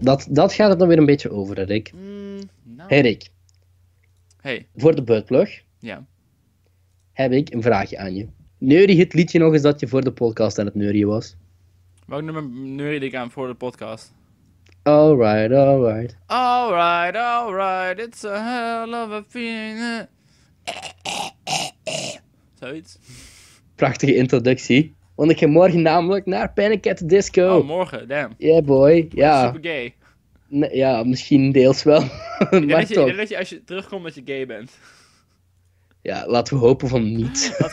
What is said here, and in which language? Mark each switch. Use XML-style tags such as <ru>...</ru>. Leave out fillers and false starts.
<nl>Dat gaat het dan weer een beetje over, Rick. Nou. Hey Rick. Hey. Voor de buitplug. Ja. Heb ik een vraagje aan je. Neurie het liedje nog eens dat je voor de podcast aan het neurie was? Welk nummer neurie ik aan voor de podcast?</nl> <en>Alright, alright. Alright, alright, it's a hell of a feeling.</en> <nl>Zoiets. Prachtige introductie. Want ik ga morgen namelijk naar Panic at the Disco. Oh, morgen, damn.</nl> <en>Yeah, boy. Ja.</en> <nl>Super gay. Ja, misschien deels wel. Maar ik denk dat je als je terugkomt dat je gay bent. Ja, laten we hopen van niet.</nl>